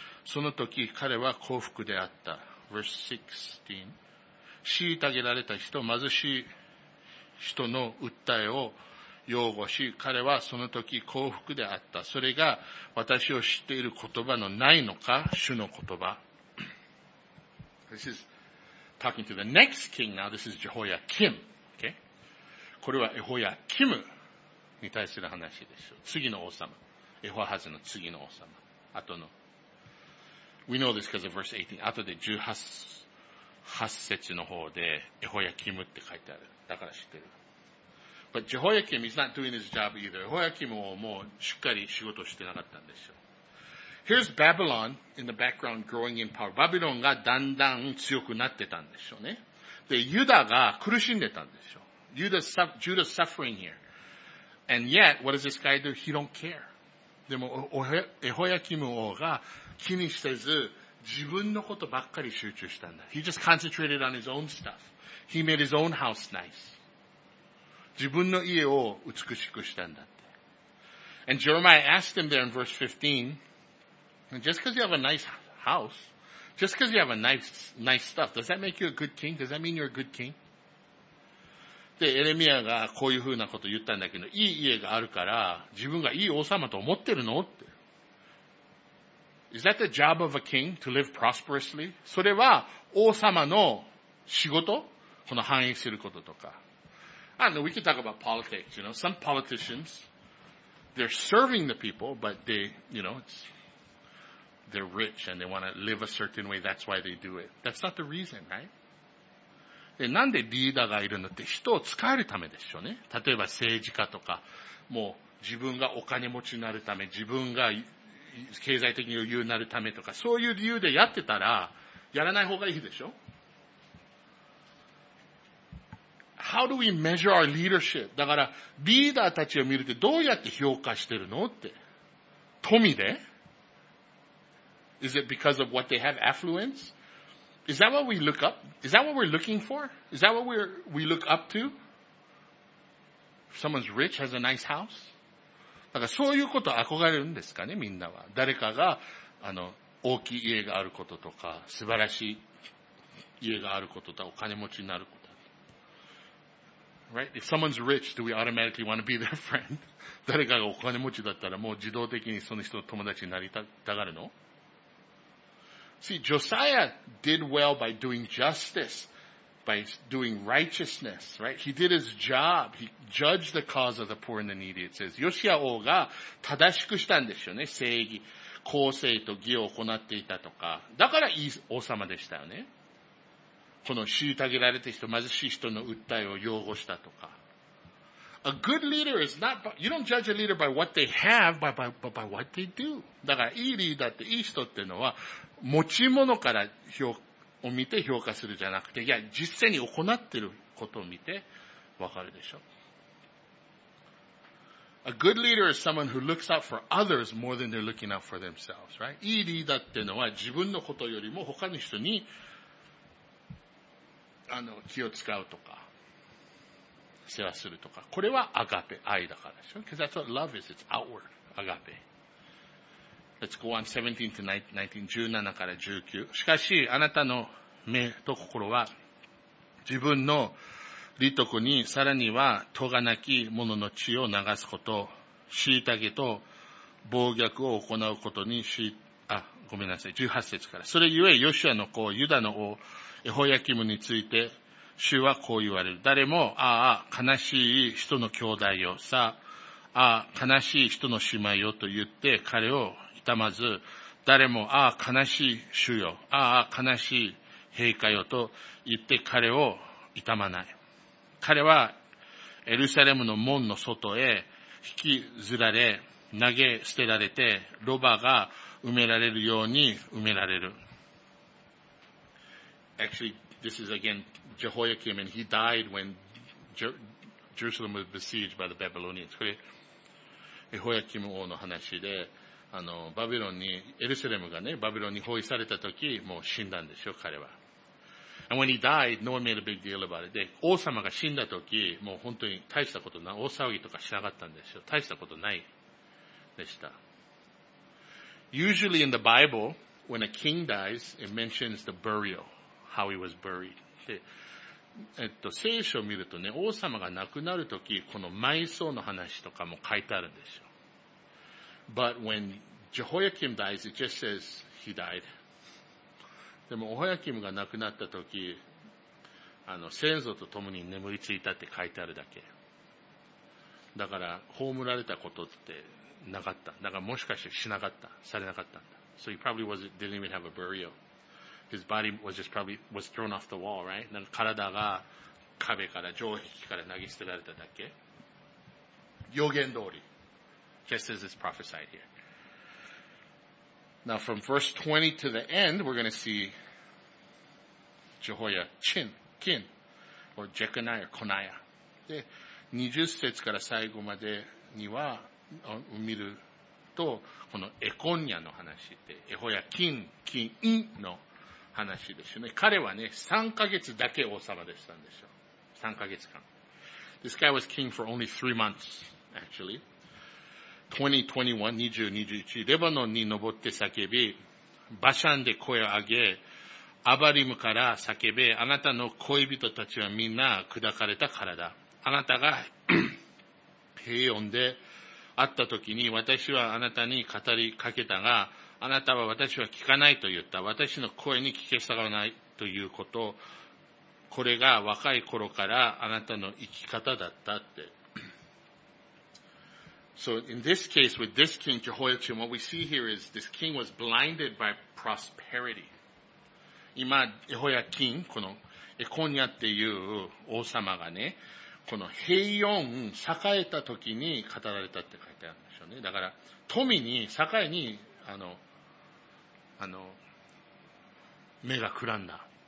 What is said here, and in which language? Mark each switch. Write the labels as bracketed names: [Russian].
[Japanese] その時彼は幸福であった。 [English] Verse 16。 [Japanese] 虐げられた人、貧しい人の訴えを擁護し、彼はその時幸福であった。それが私を知っている言葉のないのか、主の言葉。 [English] This is talking to the next king now. This is Jehoiakim. Okay? [Japanese] これはエホヤキムに対する話です。次の王様。エホアハズの次の王様。後の。 [English] We know this because of verse 18. [Japanese] 後で18節の方で、エホヤキムって書いてある。だから知ってる。 [English] But Jehoiakim, he's not doing his job either. [Japanese] エホヤキムはもうしっかり仕事してなかったんですよ。 [English] Here's Babylon in the background growing in power. [Japanese] バビロンがだんだん強くなってたんでしょうね。で、ユダが苦しんでたんでしょう。 [English] Judah's suffering here. And yet, what does this guy do? He don't care. [Japanese] でも、エホヤキム王が気にせず自分のことばっかり集中したんだ。 [English] He just concentrated on his own stuff. He made his own house nice. [Japanese] 自分の家を美しくしたんだって。 [English] And Jeremiah asked him there in verse 15, just because you have a nice house, just because you have a nice stuff, does that make you a good king? Does that mean you're a good king? [Japanese] で、エレミアがこういうふうなこと言ったんだけど、いい家があるから自分がいい王様と思ってるのって。 [English] Is that the job of a king to live prosperously? [Japanese] それは王様の仕事？この繁栄することとか。 [English] I don't know, we can talk about politics, you know. Some politicians, they're serving the people, but they, you know, they're rich and they want to live a certain way. That's why they do it. That's not the reason, right? [Japanese] で、なんでリーダーがいるのって人を使えるためでしょうね。例えば政治家とか、もう自分がお金持ちになるため、自分が経済的に余裕になるためとか、そういう理由でやってたら、やらない方がいいでしょ? [English] How do we measure our leadership? [Japanese] だから、リーダーたちを見るってどうやって評価してるのって。富で? [English] Is it because of what they have, affluence? Is that what we look up? Is that what we're looking for? Is that what we look up to? If someone's rich, has a nice house? [Japanese] だからそういうこと憧れるんですかね、みんなは。誰かが、あの、大きい家があることとか、素晴らしい家があることとか、お金持ちになること。 [English] Right? If someone's rich, do we automatically want to be their friend? [Japanese] 誰かがお金持ちだったらもう自動的にその人の友達になりたがるの? [English] See, Josiah did well by doing justice, by doing righteousness, right? He did his job. He judged the cause of the poor and the needy, it says. [Japanese] ヨシア王が正しくしたんですよね。正義、公正と義を行っていたとか。だからいい王様でしたよね。この虐げられた人、貧しい人の訴えを擁護したとか。 [English] A good leader is not, you don't judge a leader by what they have, but by what they do. [Japanese] だから、いいリーダーって、いい人っていうのは、持ち物から評を見て評価するじゃなくて、いや、実際に行ってることを見て、わかるでしょ。 [English] A good leader is someone who looks out for others more than they're looking out for themselves, right? [Japanese] いいリーダーっていうのは、自分のことよりも他の人に、あの、気を使うとか、世話するとか。これはアガペ、愛だからでしょ。 [English] Because that's what love is, it's outward, アガペ。 Let's go on 17 to 19, [Japanese] 17から19。しかし、あなたの目と心は、自分の利得に、さらには、咎なき者の血を流すこと、虐げと暴虐を行うことにし、あ、ごめんなさい、18節から。それゆえ、ヨシアの子、ユダの王、エホヤキムについて主はこう言われる。誰も、ああ、悲しい人の兄弟よ。さあ、ああ、悲しい人の姉妹よと言って彼を痛まず、誰も、ああ、悲しい主よ。ああ、悲しい陛下よと言って彼を痛まない。彼はエルサレムの門の外へ引きずられ、投げ捨てられて、ロバが埋められるように埋められる。 [English] Actually, this is again Jehoiakim, and he died when Jerusalem was besieged by the Babylonians. [Japanese] これ、エホヤキム王の話で、あの、バビロンに、エルサレムがね、バビロンに包囲された時、もう死んだんでしょ、彼は。 [English] And when he died, no one made a big deal about it. [Japanese] で、王様が死んだ時、もう本当に大したことない、大騒ぎとかしなかったんでしょ、大したことないでした。 [English] Usually in the Bible, when a king dies, it mentions the burial. How he was buried. [Japanese] で、聖書を見るとね、王様が亡くなるとき、この埋葬の話とかも書いてあるんですよ。 [English] But when Jehoiakim dies, it just says he died. [Japanese] でも、Jehoiakimが亡くなったとき、あの、先祖と共に眠りついたって書いてあるだけ。だから、葬られたことってなかった。だから、もしかしてしなかった。されなかったんだ。 [English] So he probably didn't even have a burial. His body was just probably was thrown off the wall, right? [Japanese] なんか体が壁から城壁から投げ捨てられただけ。予言通り。 [English] Just as it's prophesied here. Now from verse 20 to the end, we're going to see Jehoiachin, Kin, or Jeconiah, or Coniah. [Japanese] で、20節から最後までには、見ると、このエコニアの話って、エホヤ、キン、キン、インの話ですよね。彼はね、3ヶ月だけ王様でしたんでしょう。 3ヶ月間。 [English] This guy was king for only 3 months, actually. [Japanese] 2021, 2021, レバノンに登って叫び、バシャンで声を上げ、アバリムから叫べ、あなたの恋人たちはみんな砕かれた体。あなたが平穏で会った時に私はあなたに語りかけたが、あなたは私は聞かないと言った。私の声に聞け従わないということ。これが若い頃からあなたの生き方だったって。 [English] So in this case, with this king, Jehoiachin, what we see here is this king was blinded by prosperity. [Japanese] 今、エホヤキン、このエコニャっていう王様がね、この平穏、栄えた時に語られたって書いてあるんでしょうね。だから、富に、栄えに、あの、目がくらんだ。